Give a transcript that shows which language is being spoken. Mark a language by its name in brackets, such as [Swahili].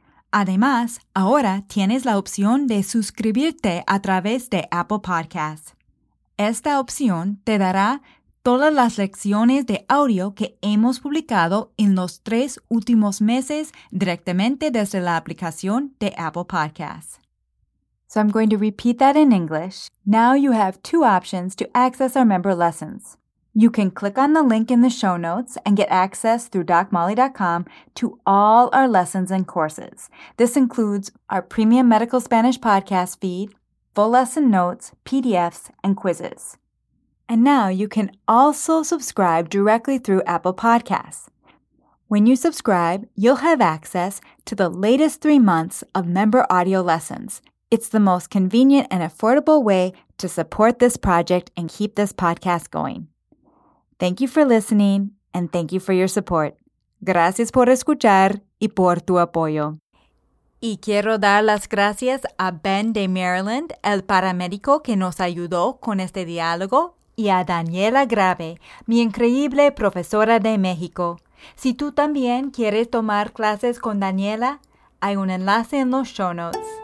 [Spanish] Además, ahora tienes la opción de suscribirte a través de Apple Podcasts. Esta opción te dará todas las lecciones de audio que hemos publicado en los 3 últimos meses directamente desde la aplicación de Apple Podcasts. [English] So I'm going to repeat that in English. Now you have 2 options to access our member lessons. You can click on the link in the show notes and get access through DocMolly.com to all our lessons and courses. This includes our premium medical Spanish podcast feed, full lesson notes, PDFs, and quizzes. And now you can also subscribe directly through Apple Podcasts. When you subscribe, you'll have access to the latest 3 months of member audio lessons. It's the most convenient and affordable way to support this project and keep this podcast going. Thank you for listening and thank you for your support. [Spanish] Gracias por escuchar y por tu apoyo. Y quiero dar las gracias a Ben de Maryland, el paramédico que nos ayudó con este diálogo, y a Daniela Grave, mi increíble profesora de México. Si tú también quieres tomar clases con Daniela, hay un enlace en los show notes.